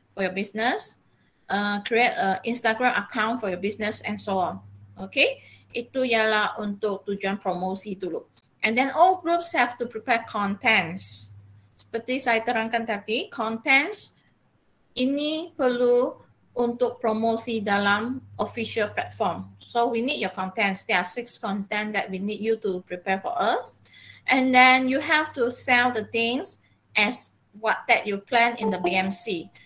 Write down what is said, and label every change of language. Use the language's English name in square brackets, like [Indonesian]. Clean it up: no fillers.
[English] for your business, create a Instagram account for your business, and so on. [Malay] Okay, itu ialah untuk tujuan promosi dulu. [English] And then all groups have to prepare contents. [Malay] Seperti saya terangkan tadi, contents ini perlu untuk promosi dalam official platform. [English] So we need your contents. There are 6 content that we need you to prepare for us. And then you have to sell the things as what that you plan in the BMC.